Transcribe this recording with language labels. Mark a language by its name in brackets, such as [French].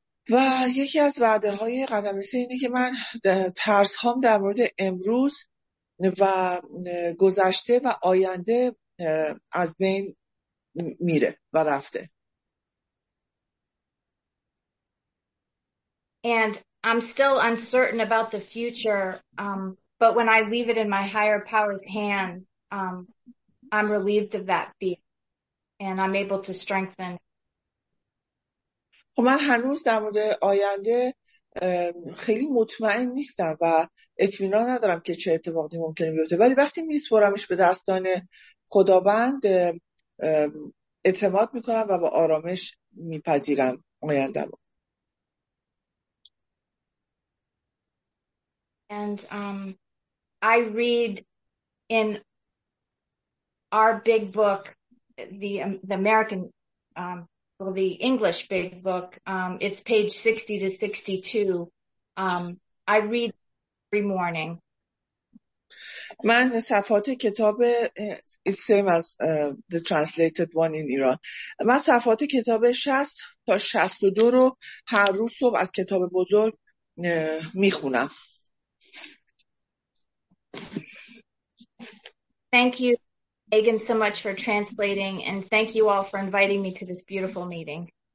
[Persian] و یکی از وعده های قدم رسه اینه که من ترس هام در مورد امروز و گذشته و آینده از بین میره و رفته. [English] And I'm still uncertain about the future, but when I leave it in my higher power's hand, I'm relieved of that fear, and I'm able to strengthen. [Persian] خب من هنوز در مورد آینده خیلی مطمئن نیستم و اطمینان ندارم که چه اتفاقی ممکنه بیفته، ولی وقتی میسپرمش به دستان خداوند اعتماد میکنم و با آرامش میپذیرم آینده رو. [English] And I read in our big book, the American, well, the English big book, it's page 60 to 62. I read every morning. [Persian] من صفحات کتاب [English] it's same as the translated one in Iran. [Persian] من صفحات کتاب 60 تا 62 رو هر روز صبح از کتاب بزرگ میخونم. [English] Thank you, Megan, so much for translating, and thank you all for inviting me to this beautiful meeting.